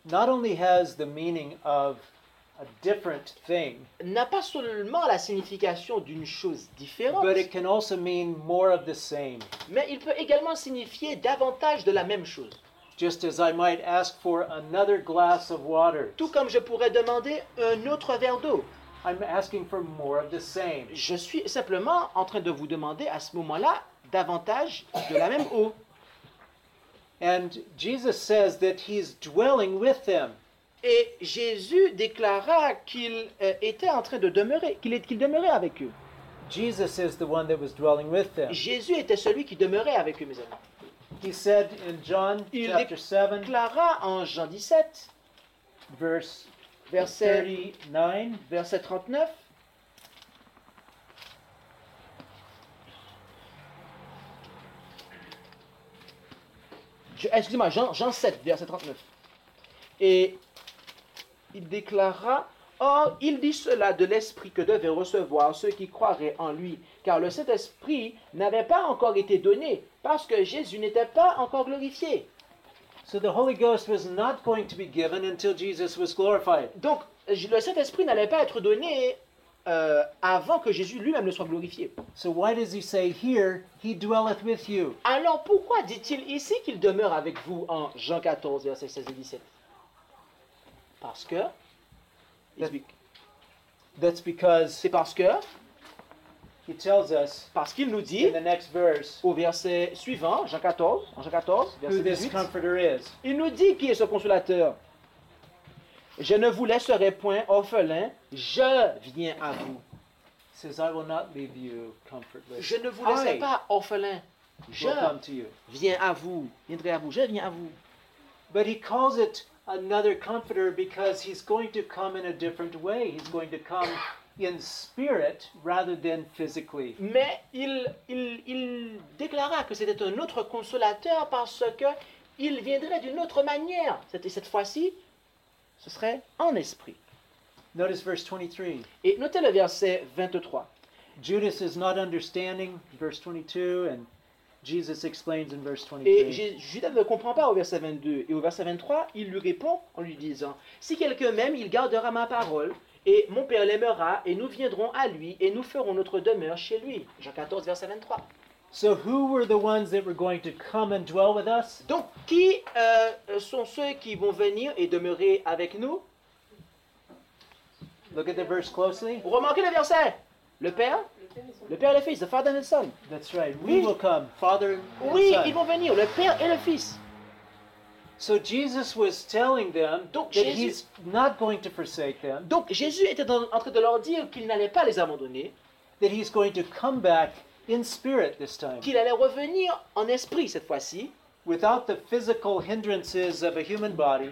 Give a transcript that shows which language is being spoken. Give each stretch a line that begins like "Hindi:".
English: not only has the meaning of a different thing,
French: n'a pas seulement la signification d'une chose différente,
English: but it can also mean more of the same.
French: Mais il peut également signifier davantage de la même chose.
English: Just as I might ask for another glass of water.
French: Tout comme je pourrais demander un autre verre d'eau.
English: I'm asking for more of the same.
French: Je suis simplement en train de vous demander à ce moment-là davantage de la même eau.
English: And Jesus says that he's dwelling with them.
French: Et Jésus déclara qu'il était en train de demeurer, qu'il demeurait avec eux.
English: Jesus is the one that was dwelling with them.
French: Jésus était celui qui demeurait avec eux, mes amis.
English: He said in John
French: il
English: chapter 7,
French: déclara en Jean 17, verset 39. Excusez-moi, Jean 7, verset 39. Et il déclara, « Or, il dit cela de l'Esprit que devaient recevoir ceux qui croiraient en lui, car le Saint-Esprit n'avait pas encore été donné, parce que Jésus n'était pas encore glorifié. » Donc, le Saint-Esprit n'allait pas être donné avant que Jésus lui-même ne soit glorifié.
English: So why does he say here he dwelleth with you?
French: Alors pourquoi dit-il ici qu'il demeure avec vous en Jean 14 verset 16 et 17? Parce que
English: That's because
French: c'est parce que
English: he tells us
French: parce qu'il nous dit
English: in the next verse,
French: au verset suivant Jean 14 verset 18
English: who this comforter is.
French: Il nous dit qui est ce consolateur. Je ne vous laisserai point orphelin, je viens à vous.
English: Says, I will not leave you comfortless.
French: Je ne vous laisserai pas orphelin. Je viens à vous.
English: But he calls it another comforter because he's going to come in a different way. He's going to come in spirit rather than physically.
French: Mais il déclara que c'était un autre consolateur parce que il viendrait d'une autre manière. Cette fois-ci, ce serait en esprit.
English: Notice verse 23.
French: Et notez le verset 23.
English: Judas is not understanding verse 22 and Jesus explains in verse 23.
French: Et Judas ne comprend pas au verset 22 et au verset 23, il lui répond en lui disant: si quelqu'un m'aime, il gardera ma parole et mon Père l'aimera et nous viendrons à lui et nous ferons notre demeure chez lui. Jean 14 verset 23.
English: So who were the ones that were going to come and dwell with us?
French: Donc qui sont ceux qui vont venir et demeurer avec nous?
English: Look at the verse closely.
French: Remarquez le verset. Le Père et le Fils,
English: the Father and the Son. That's right. We will come, Father and Son.
French: Oui, ils vont venir, le Père et le Fils.
English: So Jesus was telling them that he's not going to forsake them.
French: Donc Jésus était en train de leur dire qu'il n'allait pas les abandonner.
English: That he's going to come back in spirit this time.
French: Qu'il allait revenir en esprit cette fois-ci.
English: Without the physical hindrances of a human body.